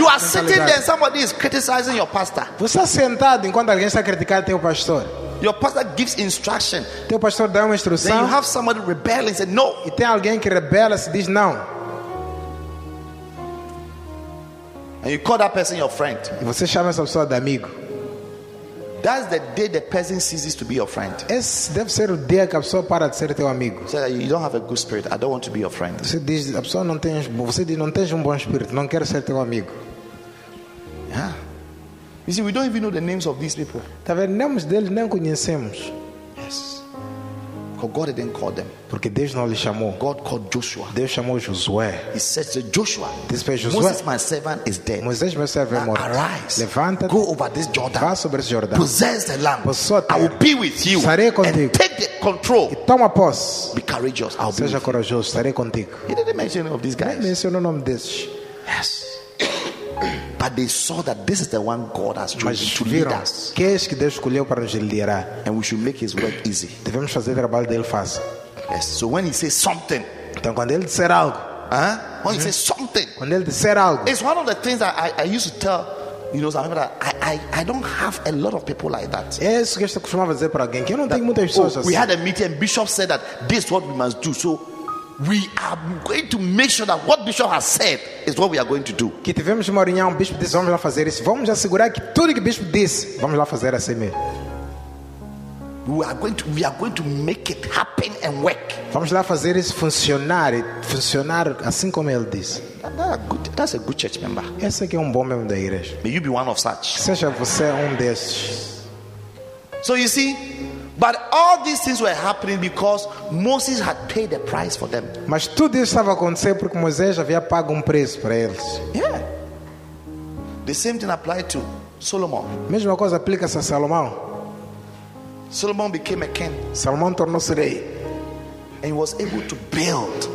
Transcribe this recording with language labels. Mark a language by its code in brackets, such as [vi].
[en] You are sitting there, somebody is criticizing your pastor. [pt] Você está sentado enquanto alguém está criticando teu pastor. [en] Your pastor gives instruction. [pt] Teu pastor dá uma instrução. [en] Then you have somebody rebel and say no. [pt] E tem alguém que rebela e diz não. [en] And you call that person your friend. [pt] E você chama essa pessoa de amigo. [en] That's the day the person ceases to be your friend. [pt] Esse deve ser o dia que a pessoa para de ser teu amigo. [en] So you don't have a good spirit. I don't want to be your friend. [pt] Você diz, a pessoa não tem, você diz, não tens um bom espírito. Não quero ser teu amigo. [en] Yeah. You see, we don't even know the names of these people. [pt] Tá vendo? Nomes deles nem conhecemos. [en] Yes. Because God didn't call them. [pt] Porque Deus não lhe chamou. [en] God called Joshua. [pt] Deus chamou Josué. [en] He said to Joshua, this is Josué. Moses, my servant, is dead. [pt] Moisés, meu servo, é morto. [en] Arise. [pt] Levanta. [en] Go over this Jordan. [pt] Vá sobre esse Jordão. [en] Possess the land. [pt] Possua a terra. [en] I will be with you. [pt] Estarei contigo. [en] And take the control. [pt] E toma posse. [en] Be courageous. I'll [pt] seja [en] be [pt] corajoso. Estarei contigo. [en] He didn't mention of these guys. [pt] Nem mencionou o nome desses. [en] Yes. But they saw that this is the one God has chosen to lead us. [pt] Que é esse que Deus escolheu para nos liderar? [en] And we should make His work easy. [pt] Devemos fazer o trabalho dele fácil. [en] Yes. So when He says something, [pt] então quando Ele disser algo, [en] When He says something, [pt] quando Ele disser algo, [en] it's one of the things that I used to tell, you know, some people that I don't have a lot of people like that. [pt] É isso que eu costumava dizer para alguém. Que eu não tenho muitas pessoas assim. [en] We had a meeting, and Bishop said that this is what we must do. So we are going to make sure that what Bishop has said is what we are going to do. [pt] Que tivemos uma reunião, o Bishop disse, vamos lá fazer isso. Vamos assegurar que tudo que o Bishop disse, vamos lá fazer assim mesmo. [en] We are going to make it happen and work. [pt] Vamos lá fazer isso funcionar, funcionar assim como ele disse. [en] That's a good church member. [pt] Esse aqui é bom membro da igreja. [en] May you be one of such. [pt] Seja você desses. [en] So you see, but all these things were happening because Moses had paid the price for them. [pt] Mas tudo isso estava acontecendo porque Moisés havia pago preço para eles. [en] Yeah. The same thing applied to Solomon. [pt] Mesma coisa aplica-se a Salomão. [en] Solomon became a king. [pt] Salomão tornou-se rei. [en] And he was able to build.